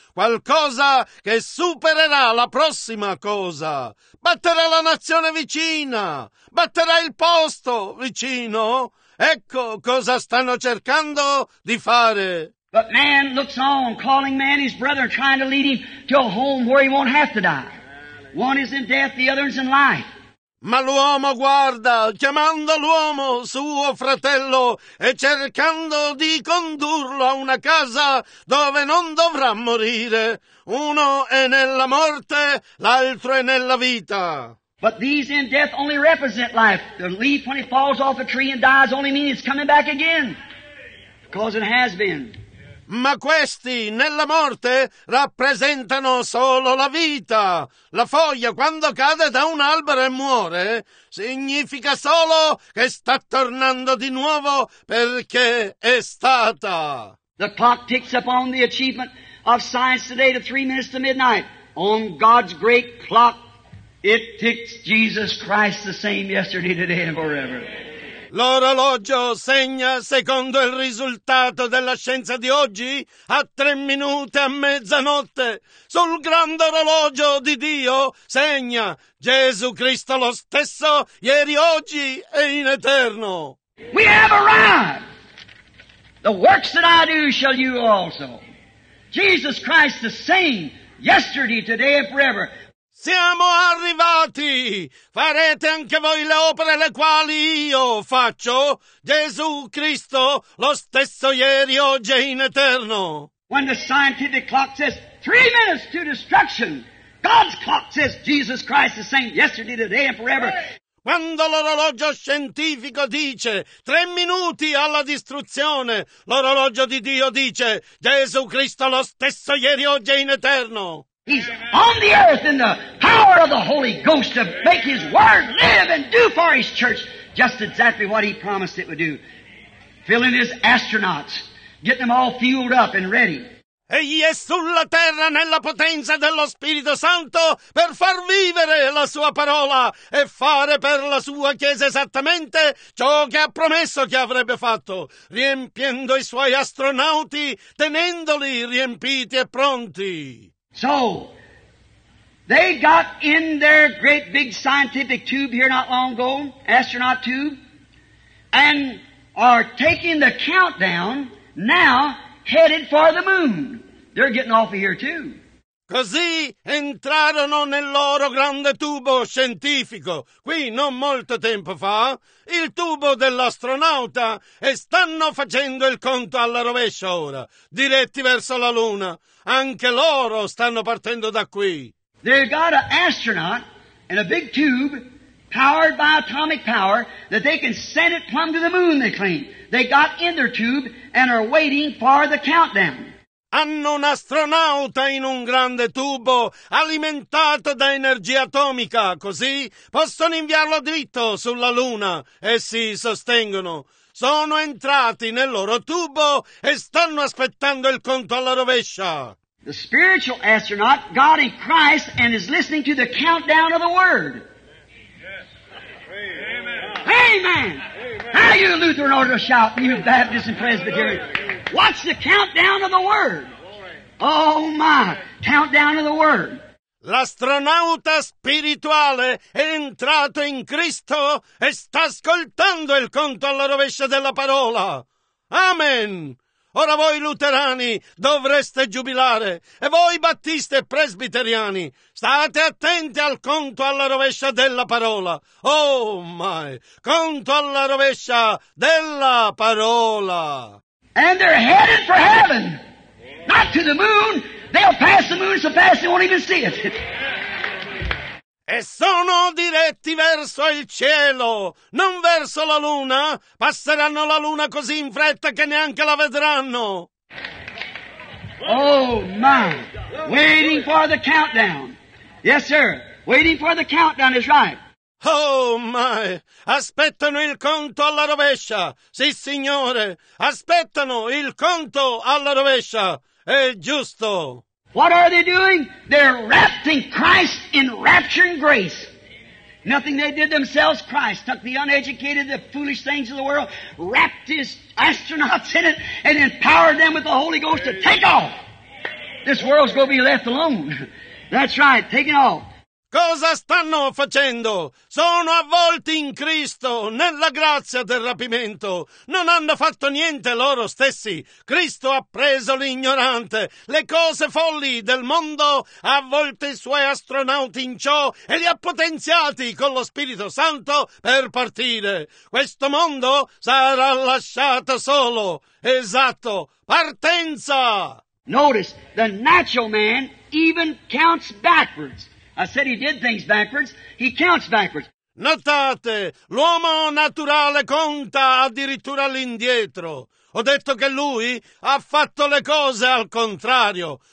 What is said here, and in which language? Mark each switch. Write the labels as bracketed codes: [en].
[it] Qualcosa che supererà la prossima cosa. Batterà la nazione vicina. Batterà il posto vicino. Ecco cosa stanno cercando di fare. [en] But man looks on, calling man his brother, trying to lead him to a home where he won't have to die. One is in death, the other is in life. [it] Ma l'uomo guarda, chiamando l'uomo suo fratello e cercando di condurlo a una casa dove non dovrà morire. Uno è nella morte, l'altro è nella vita. [en] But these in death only represent life. The leaf when it falls off a tree and dies only means it's coming back again. Because it has been. [it] Ma questi, nella morte, rappresentano solo la vita. La foglia, quando cade da un albero e muore, significa solo che sta tornando di nuovo perché è stata. [en] The clock ticks upon the achievement of science today to 3 minutes to midnight. On God's great clock, it ticks Jesus Christ the same yesterday, today and forever. [it] L'orologio segna, secondo il risultato della scienza di oggi, a 3 minuti a mezzanotte. Sul grande orologio di Dio segna Gesù Cristo lo stesso, ieri, oggi e in eterno. [en] We have arrived. The works that I do shall you also. Jesus Christ the same, yesterday, today and forever. [it] Siamo arrivati! Farete anche voi le opere le quali io faccio? Gesù Cristo, lo stesso ieri, oggi e in eterno! [en] When the scientific clock says 3 minutes to destruction, God's clock says Jesus Christ the same yesterday, today and forever. [it] Quando l'orologio scientifico dice 3 minuti alla distruzione, l'orologio di Dio dice Gesù Cristo lo stesso ieri, oggi e in eterno. [en] He's on the earth in the power of the Holy Ghost to make his word live and do for his church just exactly what he promised it would do. Filling his astronauts, getting them all fueled up and ready. [it] Egli è sulla terra nella potenza dello Spirito Santo per far vivere la sua parola e fare per la sua Chiesa esattamente ciò che ha promesso che avrebbe fatto, riempiendo i suoi astronauti, tenendoli riempiti e pronti. [en] So, they got in their great big scientific tube here not long ago, astronaut tube, and are taking the countdown now headed for the moon. They're getting off of here too. [it] Così entrarono nel loro grande tubo scientifico, qui non molto tempo fa, il tubo dell'astronauta, e stanno facendo il conto alla rovescia ora, diretti verso la Luna. Anche loro stanno partendo da qui. [en] They've got an astronaut in a big tube, powered by atomic power, that they can send it plumb to the moon, they claim. They got in their tube and are waiting for the countdown. [it] Hanno un astronauta in un grande tubo alimentato da energia atomica, così possono inviarlo dritto sulla Luna. Essi sostengono. Sono entrati nel loro tubo e stanno aspettando il conto alla rovescia. [en] The spiritual astronaut, God in Christ, and is listening to the countdown of the Word. Amen. Amen. Amen. How you Lutheran order shout, you Baptist and Presbyterian. Watch the countdown of the Word. Oh my, countdown of the Word. [it] L'astronauta spirituale è entrato in Cristo e sta ascoltando il conto alla rovescia della parola. Amen. Ora voi luterani dovreste giubilare e voi battisti e presbiteriani state attenti al conto alla rovescia della parola. [en] Oh my, [it] conto alla rovescia della parola. [en] And they're headed for heaven, not to the moon. They'll pass the moon so fast they won't even see it. [it] E sono diretti verso il cielo, non verso la luna. Passeranno la luna così in fretta che neanche la vedranno. [en] Oh my, waiting for the countdown. Yes, sir, waiting for the countdown is right. Oh my, [it] aspettano il conto alla rovescia. Sì, signore, aspettano il conto alla rovescia. È giusto. [en] What are they doing? They're wrapped in Christ in rapture and grace. Nothing they did themselves, Christ took the uneducated, the foolish things of the world, wrapped his astronauts in it, and empowered them with the Holy Ghost to take off. This world's going to be left alone. That's right, taking off. [it] Cosa stanno facendo? Sono avvolti in Cristo, nella grazia del rapimento. Non hanno fatto niente loro stessi. Cristo ha preso l'ignorante, le cose folli del mondo, ha avvolto i suoi astronauti in ciò e li ha potenziati con lo Spirito Santo per partire. Questo mondo sarà lasciato solo. Esatto. Partenza! [en] Notice, the natural man even counts backwards. I said he did things backwards. He counts backwards. [it] Notate, l'uomo naturale conta addirittura all'indietro. Ho detto che lui ha fatto le cose al contrario.